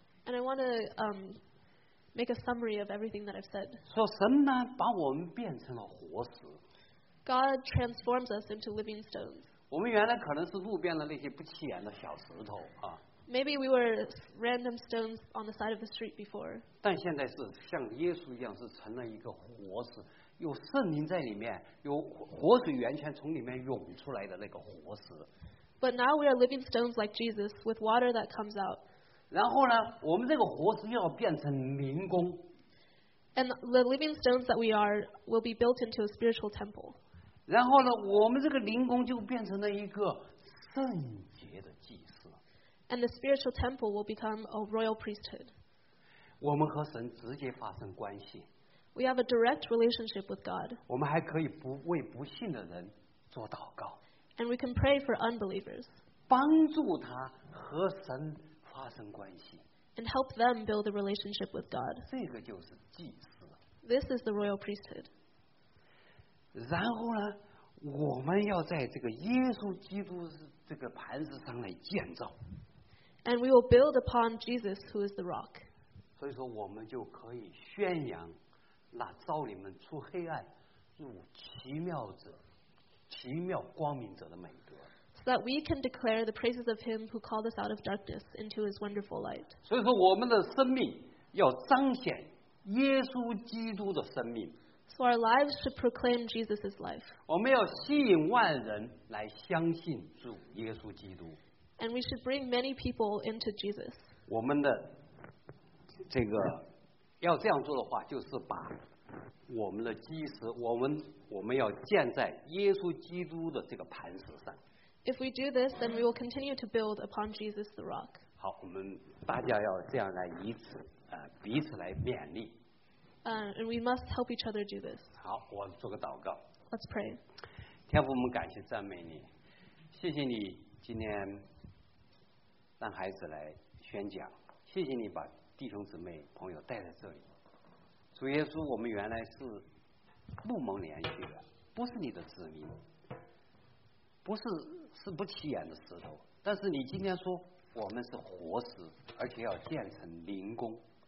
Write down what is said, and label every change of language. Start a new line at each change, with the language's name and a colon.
English: And I want to make a summary of everything that I've said.
Chinese: 说神呢，把我们变成了活石。
English: God transforms us into living stones.
Chinese: 我们原来可能是路边的那些不起眼的小石头啊。
English: Maybe we were random stones on the side of the street before.
Chinese: 但现在是像耶稣一样，是成了一个活石，有圣灵在里面，有活水源泉从里面涌出来的那个活石。
English: But now we are living stones like Jesus, with water that comes out.
Chinese: 然后呢，我们这个活石要变成灵宫。
English: And the living stones that we are will be built into a spiritual temple.
Chinese: 然后呢，我们这个灵宫就变成了一个圣洁的祭司。
English: And the spiritual temple will become a royal priesthood.
Chinese: 我们和神直接发生关系。
English: We have a direct relationship with God.
Chinese: 我们还可以不为不信的人做祷告。
English: And we can pray for unbelievers.
Chinese: 帮助他和神。发生关系
English: and help them build a relationship with God.
Chinese: 这个就是祭司。
English: This is the royal priesthood.
Chinese: 然后呢，我们要在这个耶稣基督这个磐石上来建造。
English: And we will build upon Jesus, who is the rock.
Chinese: 所以说，我们就可以宣扬那召你们出黑暗、主奇妙者，奇妙光明者的美德。
English: So that we can declare the praises of Him who called us out of darkness into His wonderful light.
Chinese: 所以说我们的生命要彰显耶稣基督的生命。
English: So our lives should proclaim Jesus' life.
Chinese: 我们要吸引万人来相信主耶稣基督。
English: And we should bring many people into Jesus.
Chinese: 我们的这个要这样做的话，就是把我们的基石，我们要建在耶稣基督的这个磐石上。
English: If we do this, then we will continue to build upon Jesus the rock.
Chinese: 好，我们大家要这样来以此彼此来勉励。
English: And we must help each other do this.
Chinese: 好，我做个祷告。
English: Let's pray.
Chinese: 天父，我们感谢赞美你，谢谢你今天让孩子来宣讲，谢谢你把弟兄姊妹朋友带在这里。主耶稣，我们原来是不蒙连续的，不是你的子民，不是不起眼的石头，但是你今天说我们是活石，而且要建成灵宫。